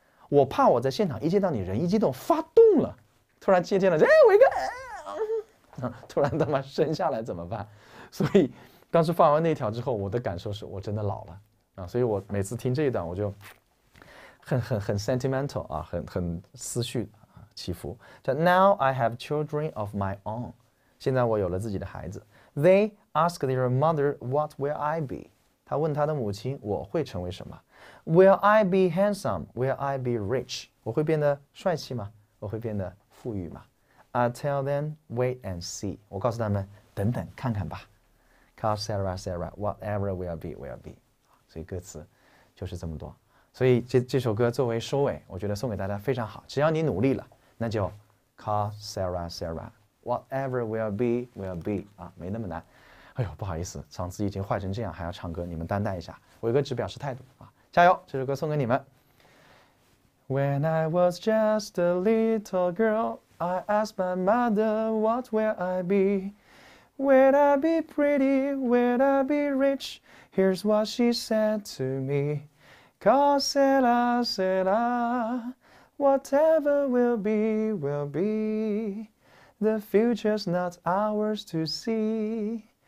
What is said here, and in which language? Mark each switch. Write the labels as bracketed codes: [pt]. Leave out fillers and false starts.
[zh] 我怕我在现场一见到你人一激动发动了，突然接见了，哎，伟哥，突然他妈生下来怎么办？所以当时发完那条之后，我的感受是我真的老了啊！所以我每次听这一段，我就很 sentimental 啊，很思绪起伏。叫 [en] Now I have children of my own， [zh] 现在我有了自己的孩子。 [en] They ask their mother, what will I be? [zh] 他问他的母亲，我会成为什么？ [en] Will I be handsome? Will I be rich? [zh] 我会变得帅气吗？我会变得富裕吗？ [en] I tell them, wait and see. [zh] 我告诉他们，等等看看吧。 [en] Cause Sarah, Sarah, whatever will be, will be. [zh] 所以歌词就是这么多。所以 这首歌作为收尾，我觉得送给大家非常好。只要你努力了，那就 [en] Call Sarah Sarah Whatever will be [zh] will be、啊、没那么难。哎呦，不好意思，嗓子已经坏成这样还要唱歌，你们担待一下，我一个只表示态度、啊、加油，这首歌送给你们。 [en] When I was just a little girl I asked my mother what will I be Will I be pretty, will I be rich Here's what she said to meCause it I said I, whatever will be, the future's not ours to see.